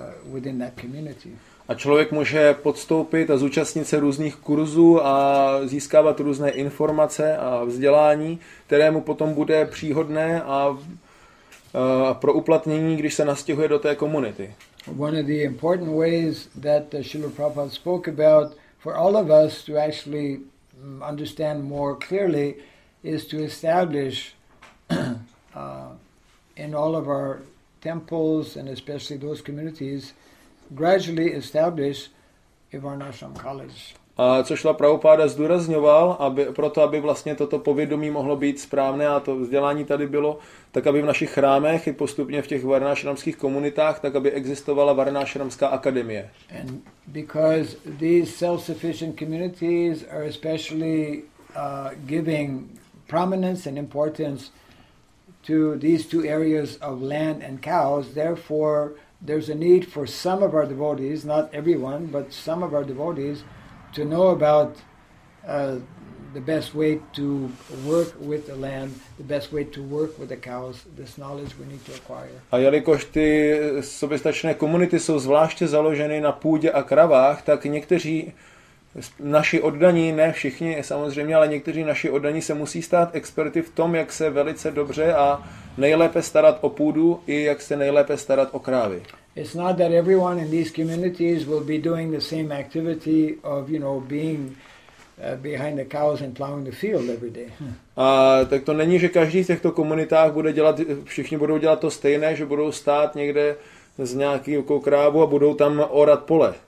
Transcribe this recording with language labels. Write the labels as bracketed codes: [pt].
[en] within that community. [cs] A člověk může podstoupit a zúčastnit se různých kurzů a získávat různé informace a vzdělání, které mu potom bude příhodné a pro uplatnění, když se nastěhuje do té komunity. [en] One of the important ways that Srila Prabhupada spoke about for all of us to actually understand more clearly is to establish in all of our temples and especially those communities gradually establish Ivarnashram College. [cs] A co Srila Prabhupada zdůrazňoval, aby proto aby vlastně toto povědomí mohlo být správné a to vzdělání tady bylo, tak aby v našich chrámech i postupně v těch Varnashramských komunitách, tak aby existovala Varnashramská akademie. [en] And because these self-sufficient communities are especially giving prominence and importance to these two areas of land and cows, therefore there's a need for some of our devotees, not everyone, but some of our devotees, to know about the best way to work with the land, the best way to work with the cows, this knowledge we need to acquire. [cs] A jelikož ty soběstačné komunity jsou zvláště založeny na půdě a kravách, tak někteří naši oddaní, ne všichni samozřejmě, ale někteří naši oddaní se musí stát experty v tom, jak se velice dobře a nejlépe starat o půdu i jak se nejlépe starat o krávy. [en] It's not that everyone in these communities will be doing the same activity of, you know, being behind the cows and plowing the field every day. [cs] A tak to není, že každý v těchto komunitách bude dělat, všichni budou dělat to stejné, že budou stát někde s nějakou krávou a budou tam orat pole.